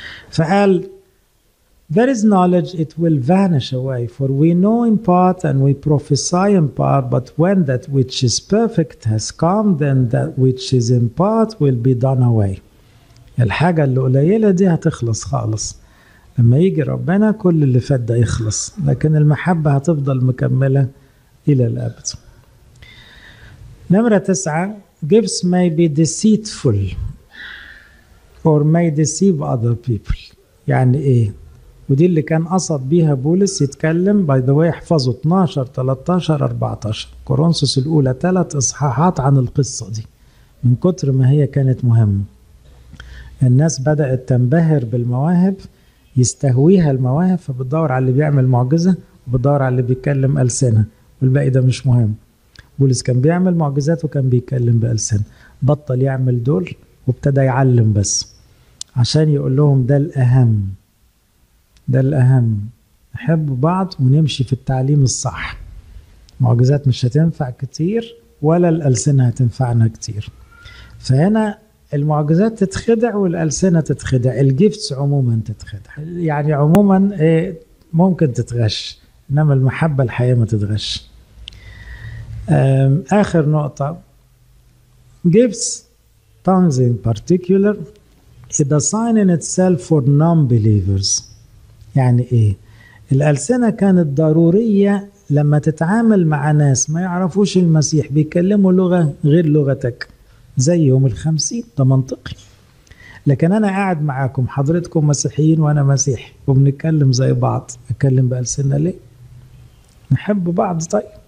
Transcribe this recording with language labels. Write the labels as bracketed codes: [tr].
[ar] فقال [en] There is knowledge, it will vanish away, for we know in part and we prophesy in part, but when that which is perfect has come, then that which is in part will be done away. [ar] الحاجة اللي قليلة دي هتخلص خالص لما يجي ربنا، كل اللي فات ده يخلص، لكن المحبة هتفضل مكملة إلى الأبد. نمرة 9. [en] Gifts may be deceitful or may deceive other people. [ar] يعني إيه؟ ودي اللي كان قصد بيها بولس يتكلم. [en] by the way [ar] احفظوا 12 13 14 كورنثوس الأولى، ثلاث إصحاحات عن القصة دي من كتر ما هي كانت مهمة. الناس بدأت تنبهر بالمواهب، يستهويها المواهب، فبتدور على اللي بيعمل معجزة، وبتدور على اللي بيتكلم ألسنة، والباقي ده مش مهم. بولس كان بيعمل معجزات وكان بيتكلم بألسنة، بطل يعمل دول وابتدى يعلم بس عشان يقول لهم ده الأهم، ده الأهم، نحب بعض ونمشي في التعليم الصح. معجزات مش هتنفع كتير ولا الألسنة هتنفعنا كتير. فهنا المعجزات تتخدع والألسنة تتخدع، الجيفتس عموما تتخدع، يعني عموما ممكن تتغش، إنما المحبة الحقيقة ما تتغش. آخر نقطة، جيفتس [en] tongues in particular is a sign in itself for non-believers. [ar] يعني إيه؟ الألسنة كانت ضرورية لما تتعامل مع ناس ما يعرفوش المسيح، بيكلموا لغة غير لغتك زيهم الخمسين، ده منطقي. لكن أنا قاعد معاكم، حضرتكم مسيحيين وأنا مسيحي، وبنتكلم زي بعض، أتكلم بألسنة ليه؟ نحب بعض طيب.